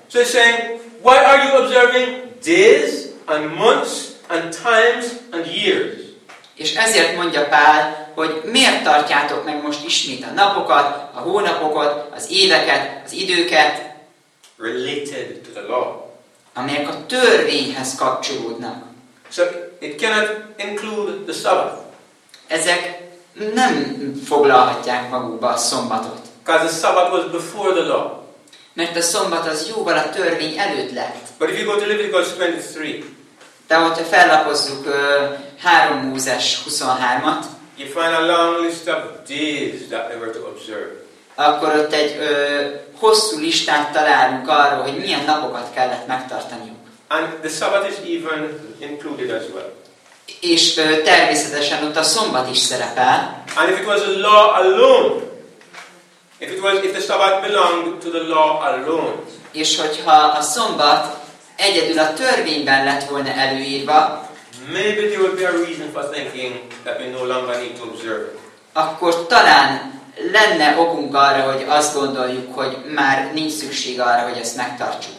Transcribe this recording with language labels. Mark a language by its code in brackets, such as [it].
[en] So he's saying, why are you observing days and months and times and years? [hu] És ezért mondja Pál, hogy miért tartjátok meg most ismét a napokat, a hónapokat, az éveket, az időket, [en] related to the law, [hu] amelyek a törvényhez kapcsolódnak. [en] So it cannot include the Sabbath. [hu] Ezek nem foglalhatják magukba a szombatot. [en] Because the Sabbath was before the law. [hu] Mert a szombat az jóval a törvény előtt lett. [en] But if you go to Leviticus 23, [hu] de hogyha fellapozzuk 3 Mózes 23-at, [en] you find a long list of days that they were to observe. [hu] Akkor ott egy hosszú listát találunk arról, hogy milyen napokat kellett megtartaniuk. [en] And the Sabbath is even included as well. [hu] És természetesen ott a szombat is szerepel. [en] And if it was a law alone, if the Sabbath belonged to the law alone, [hu] és hogyha a szombat egyedül a törvényben lett volna előírva, [en] maybe there would be a reason for thinking that we no longer need to observe. [hu] Akkor talán lenne okunk arra, hogy azt gondoljuk, hogy már nincs szükség arra, hogy ezt megtartsuk.